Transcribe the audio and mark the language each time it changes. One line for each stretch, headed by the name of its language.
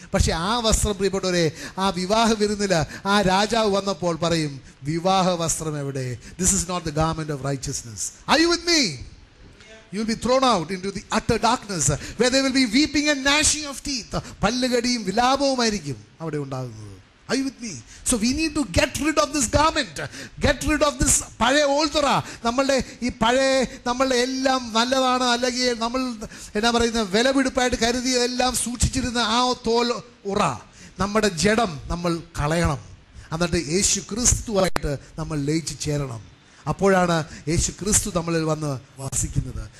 Malayalam: പക്ഷെ ആ വസ്ത്രം, പ്രിയപ്പെട്ടവരെ, ആ വിവാഹ വിരുന്നിൽ ആ രാജാവ് വന്നപ്പോൾ പറയും, വിവാഹ വസ്ത്രം എവിടെ?
English: This is not the garment of righteousness. Are you with me? You will be thrown out into the utter darkness where they will be weeping and gnashing of teeth.
Malayalam: പല്ലുകടിയും വിലാപവുമായിരിക്കും അവിടെ ഉണ്ടാകുന്നത്.
English: Are you with me? So we need to get rid of this garment. Get rid of this pale oltra.
Malayalam: നമ്മളുടെ ഈ പഴയ നമ്മളുടെ എല്ലാം നല്ലതാണ് അല്ലെങ്കിൽ നമ്മൾ എന്നാ പറയുന്ന വിലപിടിപ്പായിട്ട് കരുതിയതെല്ലാം സൂക്ഷിച്ചിരുന്ന ആ തോൽ ഉറ, നമ്മുടെ ജഡം നമ്മൾ കളയണം. എന്നിട്ട് യേശു ക്രിസ്തുവായിട്ട് നമ്മൾ ലയിച്ചു ചേരണം. അപ്പോഴാണ് യേശു ക്രിസ്തു നമ്മളിൽ വന്ന് വസിക്കുന്നത്.